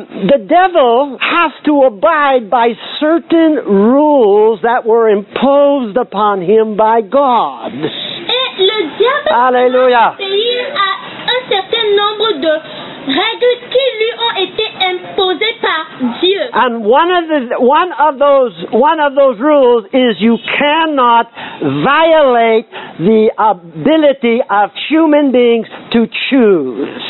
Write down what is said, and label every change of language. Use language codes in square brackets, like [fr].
[en] The devil has to abide by certain rules that were imposed upon him by God. [fr] Et le diable Hallelujah. A un certain nombre de règles qui lui ont été imposées par Dieu. [en] And one of those rules is you cannot violate the ability of human beings to choose.